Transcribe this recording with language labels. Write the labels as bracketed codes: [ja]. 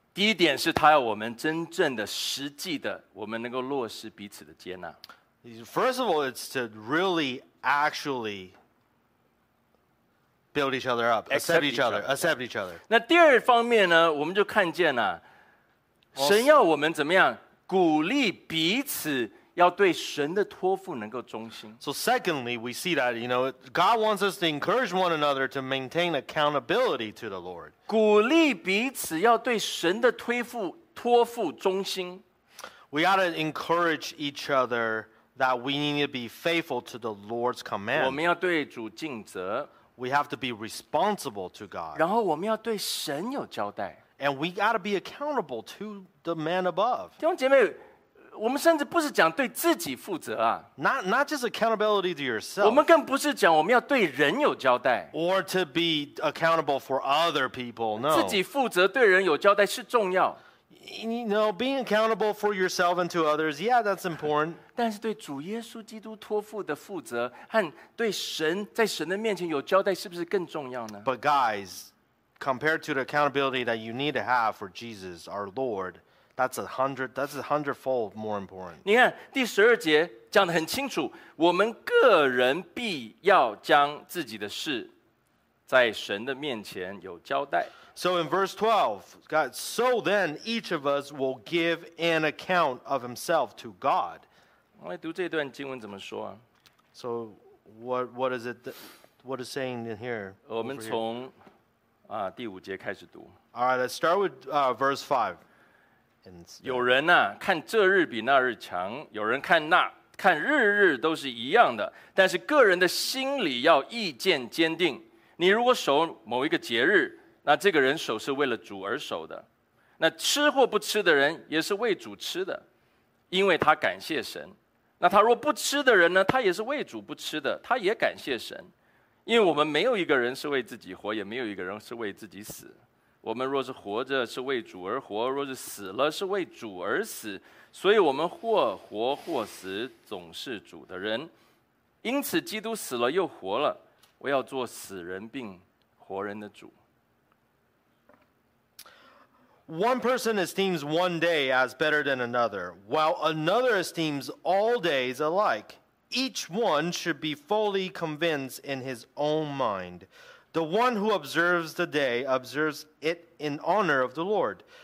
[zh] 第一点是他要我们真正的实际的，我们能够落实彼此的接纳。 [en] First of all, it's to really actually build each other up, accept each other. [zh] 那第二方面呢，我们就看见了，神要我们怎么样鼓励彼此。要对神的托付能够忠心。 [en] So secondly, we see that, you know, God wants us to encourage one another to maintain accountability to the Lord. [zh] 鼓励彼此要对神的托付忠心。 [en] We ought to encourage each other that we need to be faithful to the Lord's command. [zh] 我们要对主尽责。 [en] We have to be responsible to God. [zh] 然后我们要对神有交代。 [en] And we ought to be accountable to the man above. [zh] 弟兄姐妹我们甚至不是讲对自己负责啊 [en] not just accountability to yourself [zh] 我们更不是讲我们要对人有交代 [en] or to be accountable for other people no [zh] 自己负责对人有交代是重要 [en] you know being accountable for yourself and to others yeah that's important [zh] 但是对主耶稣基督托付的负责和对神在神的面前有交代是不是更重要呢 [en] but guys compared to the accountability that you need to have for Jesus our LordThat's a hundredfold more important. [zh] 你看第十二节讲得很清楚，我们个人必要将自己的事在神的面前有交代。 [en] So in verse 12, God, so then each of us will give an account of himself to God. [zh] 我来读这段经文怎么说啊 [en] ？So what is it? What is saying in here? [zh] 我们从啊第五节开始读。 [en] All right, let's start with verse 5. [zh] 有人呐、啊，看这日比那日强；有人看那，看日日都是一样的。但是个人的心里要意见坚定。你如果守某一个节日，那这个人守是为了主而守的。那吃或不吃的人，也是为主吃的，因为他感谢神。那他若不吃的人呢，他也是为主不吃的，他也感谢神。因为我们没有一个人是为自己活，也没有一个人是为自己死。我们若是活着是为主而活，若是死了是为主而死，所以我们或活或死，总是主的人。因此基督死了又活了，我要做死人并活人的主。 [en] One person esteems one day as better than another, while another esteems all days alike. Each one should be fully convinced in his own mind. The one who observes the day observes it in honor of the Lord.